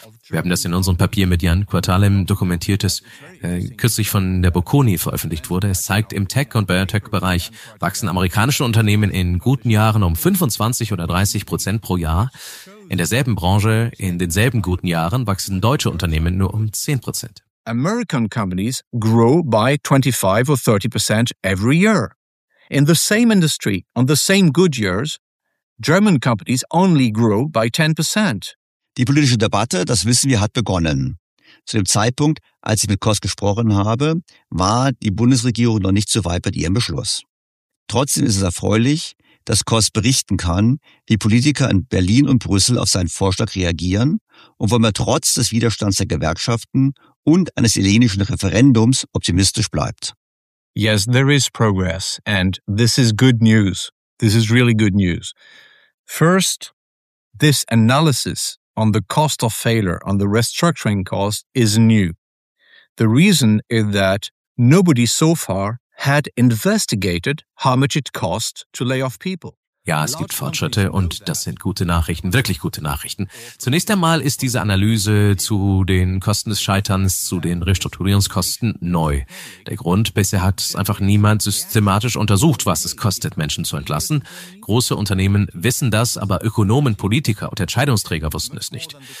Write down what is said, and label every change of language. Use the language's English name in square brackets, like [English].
[German] Wir haben das in unserem Papier mit Jan Quartalem dokumentiert, das kürzlich von der Bocconi veröffentlicht wurde. Es zeigt, im Tech- und Biotech-Bereich wachsen amerikanische Unternehmen in guten Jahren um 25% oder 30% pro Jahr. In derselben Branche, in denselben guten Jahren, wachsen deutsche Unternehmen nur um 10%. [English] American companies grow by 25% or 30% every year. In the same industry, on the same good years, German companies only grow by 10%. [German] Die politische Debatte, das wissen wir, hat begonnen. Zu dem Zeitpunkt, als ich mit Kost gesprochen habe, war die Bundesregierung noch nicht so weit mit ihrem Beschluss. Trotzdem ist es erfreulich, dass Kost berichten kann, wie Politiker in Berlin und Brüssel auf seinen Vorschlag reagieren und warum er trotz des Widerstands der Gewerkschaften und eines hellenischen Referendums optimistisch bleibt. [English] Yes, there is progress and this is good news. This is really good news. First, this analysis on the cost of failure, on the restructuring cost, is new. The reason is that nobody so far had investigated how much it cost to lay off people. [German] Ja, es gibt Fortschritte und das sind gute Nachrichten, wirklich gute Nachrichten. Zunächst einmal ist diese Analyse zu den Kosten des Scheiterns, zu den Restrukturierungskosten neu. Der Grund, bisher hat es einfach niemand systematisch untersucht, was es kostet, Menschen zu entlassen. Große Unternehmen wissen das, aber Ökonomen, Politiker und Entscheidungsträger wussten es nicht.